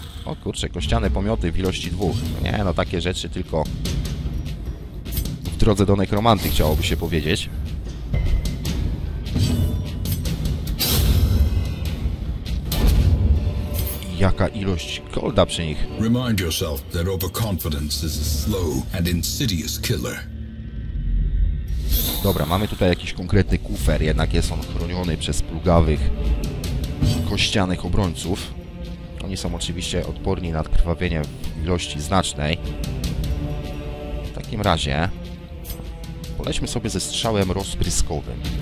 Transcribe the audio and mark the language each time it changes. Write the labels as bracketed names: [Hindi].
[Polish] O kurczę, kościane pomioty w ilości dwóch. Nie, no takie rzeczy tylko w drodze do nekromanty, chciałoby się powiedzieć. Jaka ilość kolda przy nich. [English] Remind yourself that overconfidence is a slow and insidious killer. [Polish] Dobra, mamy tutaj jakiś konkretny kufer, jednak jest on chroniony przez plugawych kościanych obrońców. Oni są oczywiście odporni na krwawienie w ilości znacznej. W takim razie polećmy sobie ze strzałem rozpryskowym.